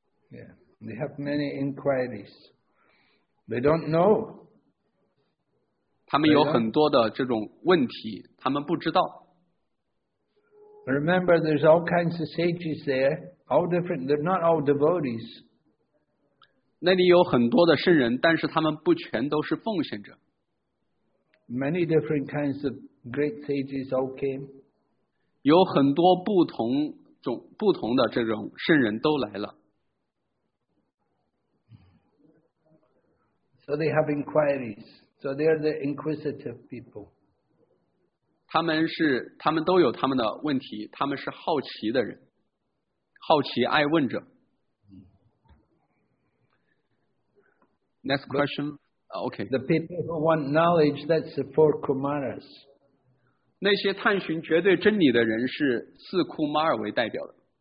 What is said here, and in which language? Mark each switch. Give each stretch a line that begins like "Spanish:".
English: Yeah, they have many inquiries. They don't know.
Chinese: 他们有很多的这种问题，他们不知道。
English: Remember, there's all kinds of sages there, all different. They're not all devotees.
Chinese: 那里有很多的圣人，但是他们不全都是奉献者。
English: Many different kinds of great sages all came.
Chinese: 有很多不同种、不同的这种圣人都来了。
English: So they have inquiries. So they are the inquisitive people.
Chinese: 他们都有他们的问题，他们是好奇的人，好奇爱问者。
English: Next question, okay. The people who want knowledge, that's the four kumaras.
Chinese: 那些探寻绝对真理的人是四库马尔为代表的。